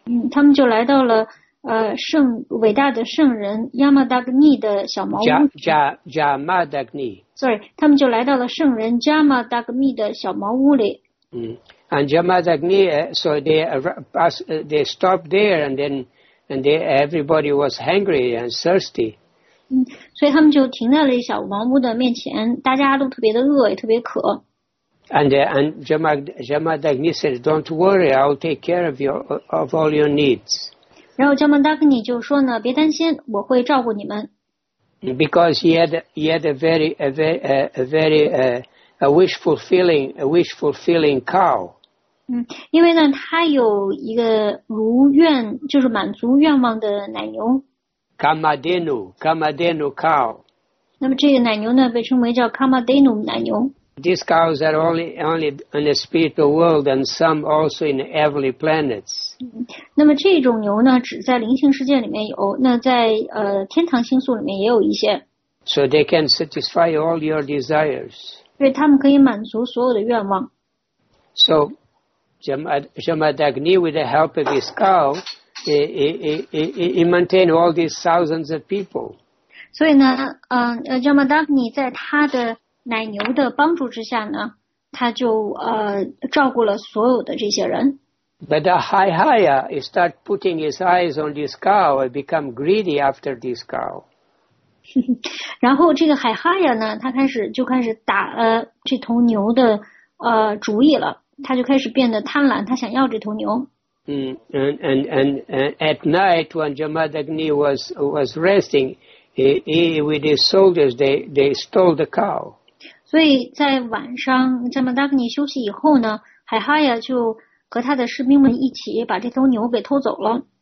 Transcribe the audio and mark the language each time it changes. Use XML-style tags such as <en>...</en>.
<zh>他们就来到了伟大的圣人 Yamadagni 的小茅屋。 Yamadagni. Sorry, 他们就来到了圣人 Yamadagni 的小茅屋里。</zh> <en>And Yamadagni, so they stopped there, everybody was hungry and thirsty.</en> <zh>所以他们就停在了小茅屋的面前，大家都特别的饿，也特别渴。</zh> <en>And Yamadagni said, "Don't worry, I'll take care of all your needs."</en> <zh>然后 Yamadagni 就说呢，别担心，我会照顾你们。</zh> <en>Because he had a wish fulfilling cow.</en> <zh>因为呢，他有一个如愿，就是满足愿望的奶牛。</zh> <en>Kamadenu cow.</en> <zh>那么这个奶牛呢，被称为叫 Kamadenu 奶牛。</zh> <en>These cows are only in the spiritual world, and some also in heavenly planets.</en> <zh>那么这种牛呢，只在灵性世界里面有，那在天堂星宿里面也有一些。</zh> <en>So they can satisfy all your desires.</en> <zh>对，他们可以满足所有的愿望。</zh> <en>So, Yamadagni, with the help of his cow. He maintained all these thousands of people.</en> <zh>所以呢，Yamadagni 在他的奶牛的帮助之下呢，他就照顾了所有的这些人。</zh> <en>But the Haihaya start putting his eyes on this cow and become greedy after this cow.</en> <zh>然后这个海哈亚呢，他开始打这头牛的主意了，他就开始变得贪婪，他想要这头牛。</zh> <en>At night when Yamadagni was resting, he with his soldiers they stole the cow.</en> <zh>所以在晚上 Yamadagni 休息以后呢，海哈亚就和他的士兵们一起把这头牛给偷走了。</zh>